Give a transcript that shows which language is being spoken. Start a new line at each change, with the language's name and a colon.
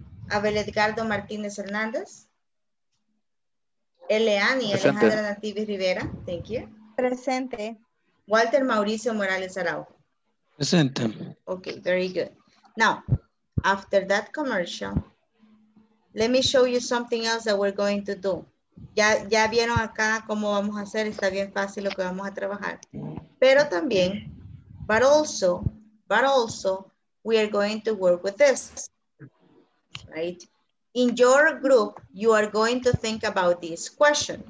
English: Abel Edgardo Martínez Hernández. Eleani Alejandra Natividad Rivera. Thank you.
Spanish: Presente. Walter Mauricio Morales Arau. Presente.
English: Okay, very good. Now, after that commercial, let me show you something else that we're going to do.
Spanish: Ya vieron acá cómo vamos a hacer. Está bien fácil lo que vamos a trabajar. Pero también,
English: but also, we are going to work with this, right? In your group, you are going to think about this question.